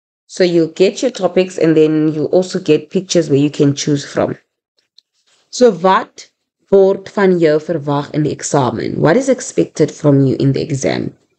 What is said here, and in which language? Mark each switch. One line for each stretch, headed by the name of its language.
English: So you get your topics and then you also get pictures where you can choose from.
Afrikaans: So wat word van jou verwag in die eksamen?
English: What is expected from you in the exam?